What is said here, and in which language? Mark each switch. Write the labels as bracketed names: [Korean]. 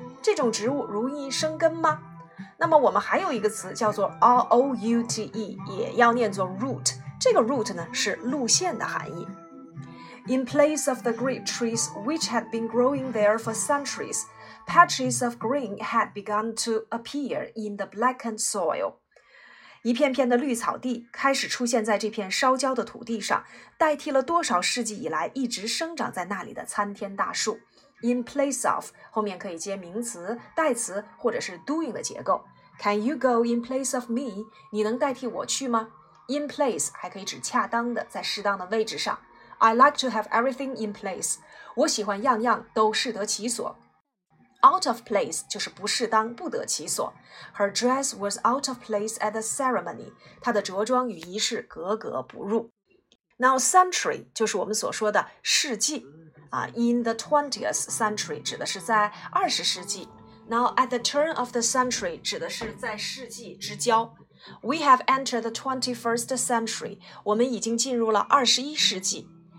[Chinese] 这种植物容易生根吗那么我们还有一个词叫做 R-O-U-T-E 也要念作 root这个 route 呢是路线的含义。 [English] In place of the great trees which had been growing there for centuries, patches of green had begun to appear in the blackened soil. [Chinese] 一片片的绿草地开始出现在这片烧焦的土地上，代替了多少世纪以来一直生长在那里的参天大树。 In place of 后面可以接名词、代词或者是 doing 的结构。 [English] Can you go in place of me? [Chinese] 你能代替我去吗？ [English] In place [Chinese] 还可以指恰当的，在适当的位置上。 [English] I like to have everything in place. [Chinese] 我喜欢样样都适得其所。 Out of place 就是不适当，不得其所。 [English] Her dress was out of place at the ceremony. [Chinese] 她的着装与仪式格格不入。 Now century 就是我们所说的世纪。 [English] In the 20th century [Chinese] 指的是在20世纪。 [English] Now at the turn of the century [Chinese] 指的是在世纪之交。 [English] We have entered the 21st century. [Chinese] 我们已经进入了21世纪。